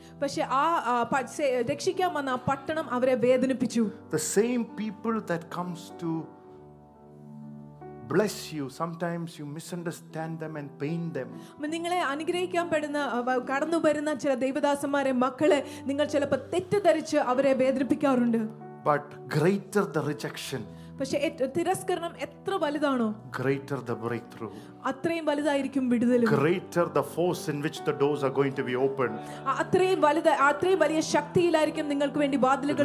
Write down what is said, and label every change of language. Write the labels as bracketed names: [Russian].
[Malayalam] പക്ഷേ ആ രക്ഷിക്കാൻ വന്ന ആ പട്ടണം അവരെ വേദനിപ്പിച്ചു. [English] The same people that comes to bless you, sometimes you misunderstand them and pain them. [Malayalam] നിങ്ങളെ അനുഗ്രഹിക്കാൻ പെടുന്ന കടന്നു വരുന്ന ചില ദൈവദാസന്മാരെ മക്കളെ നിങ്ങൾ ചിലപ്പോൾ തെറ്റിദ്ധരിച്ച് അവരെ വേദനിപ്പിക്കാറുണ്ട്. [English] But greater the rejection, [Malayalam] പക്ഷേ തിരസ്കരണം എത്ര വലുതാണോ, [English] greater the breakthrough, [Malayalam] അത്രയും വലുതായിരിക്കും വിടുതൽ, [English] greater the force in which the doors are going to be opened, [Malayalam] അത്രയും വലുത അത്രയും വലിയ ശക്തിയിലായിരിക്കും നിങ്ങൾക്ക് വേണ്ടി വാതിലുകൾ